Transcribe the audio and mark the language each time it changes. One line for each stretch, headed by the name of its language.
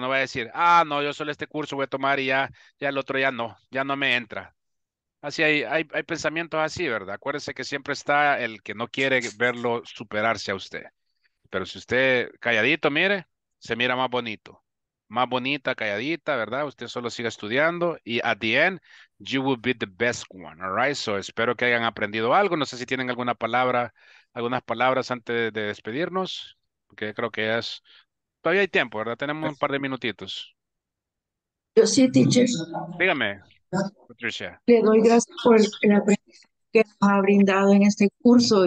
Spanish: No voy a decir, no, yo solo este curso voy a tomar y ya el otro ya no me entra. Así hay pensamientos así, ¿verdad? Acuérdese que siempre está el que no quiere verlo superarse a usted. Pero si usted calladito, mire, se mira más bonito. Más bonita, calladita, ¿verdad? Usted solo siga estudiando.
English: Y at the end, you will be the best one, all right?
Spanish: So, espero que hayan aprendido algo. No sé si tienen alguna palabra, algunas palabras antes de despedirnos. Porque creo que es... Todavía hay tiempo, ¿verdad? Tenemos un par de minutitos. Yo sí, teacher. Dígame, Patricia. Le doy gracias por el aprendizaje que nos ha brindado en este curso.